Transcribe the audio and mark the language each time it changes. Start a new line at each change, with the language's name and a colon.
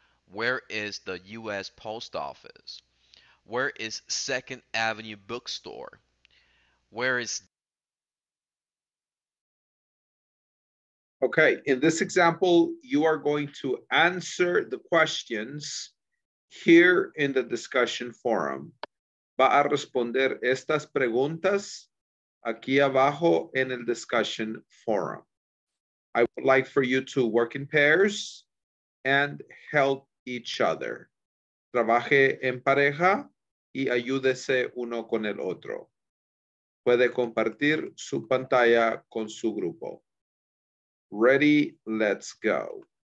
English: Where is the U.S. Post Office? Where is 2nd Avenue Bookstore? Where is... Okay, in this example, you are going to answer the questions here in the discussion forum.
Spanish: Va a responder estas preguntas aquí abajo en el discussion forum.
English: I would like for you to work in pairs and help each other.
Spanish: Trabaje en pareja y ayúdese uno con el otro. Puede compartir su pantalla con su grupo.
English: Ready, let's go.